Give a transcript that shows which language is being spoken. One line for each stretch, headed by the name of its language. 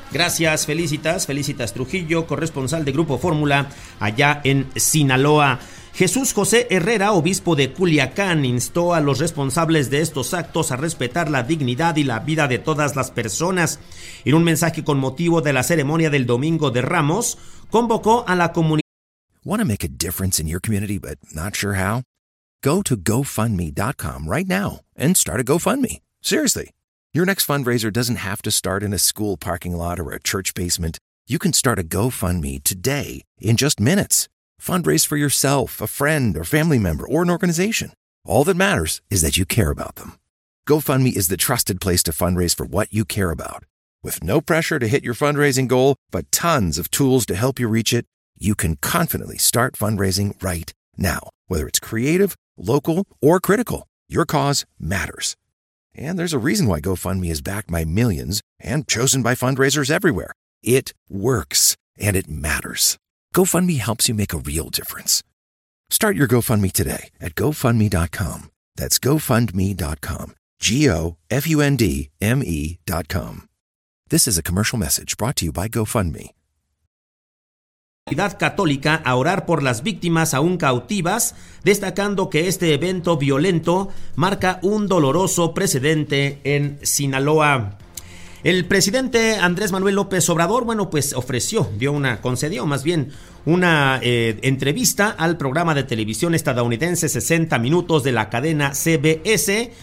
Spanish: Gracias, Felicitas Trujillo, corresponsal de Grupo Fórmula allá en Sinaloa. Jesús José Herrera, obispo de Culiacán, instó a los responsables de estos actos a respetar la dignidad y la vida de todas las personas. En un mensaje con motivo de la ceremonia del Domingo de Ramos, convocó a la comunidad.
English: Want to make a difference in your community but not sure how? Go to GoFundMe.com right now and start a GoFundMe. Seriously, your next fundraiser doesn't have to start in a school parking lot or a church basement. You can start a GoFundMe today in just minutes. Fundraise for yourself, a friend, or family member, or an organization. All that matters is that you care about them. GoFundMe is the trusted place to fundraise for what you care about. With no pressure to hit your fundraising goal, but tons of tools to help you reach it, you can confidently start fundraising right now. Whether it's creative, local, or critical, your cause matters. And there's a reason why GoFundMe is backed by millions and chosen by fundraisers everywhere. It works, and it matters. GoFundMe helps you make a real difference. Start your GoFundMe today at GoFundMe.com. That's GoFundMe.com. GoFundMe.com. This is a commercial message brought to you by GoFundMe.
Spanish: Comunidad católica a orar por las víctimas aún cautivas, destacando que este evento violento marca un doloroso precedente en Sinaloa. El presidente Andrés Manuel López Obrador, bueno, pues concedió una entrevista al programa de televisión estadounidense 60 Minutos de la cadena CBS.